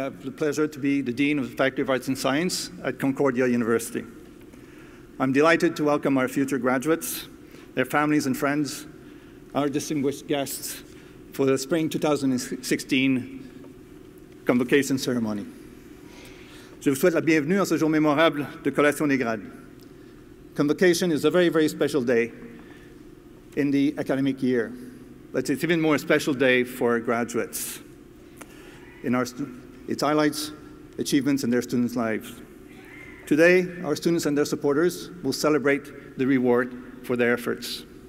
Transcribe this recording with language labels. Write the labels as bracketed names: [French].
[English] I have the pleasure to be the Dean of the Faculty of Arts and Science at Concordia University. I'm delighted to welcome our future graduates, their families and friends, our distinguished guests for the spring 2016 convocation ceremony. [French] Je vous souhaite la bienvenue en ce jour mémorable de collation des grades. [English] Convocation is a very, very special day in the academic year, but it's even more a special day for graduates. It highlights achievements in their students' lives. Today, our students and their supporters will celebrate the reward for their efforts.